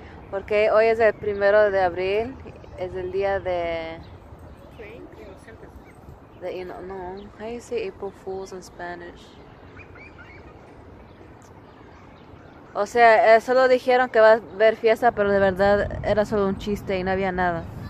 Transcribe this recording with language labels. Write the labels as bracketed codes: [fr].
[es] Porque hoy es el primero de abril, es el día de. De no, no. [en] How do you say April Fools in Spanish? [es] O sea, solo dijeron que va a haber fiesta, pero de verdad era solo un chiste y no había nada.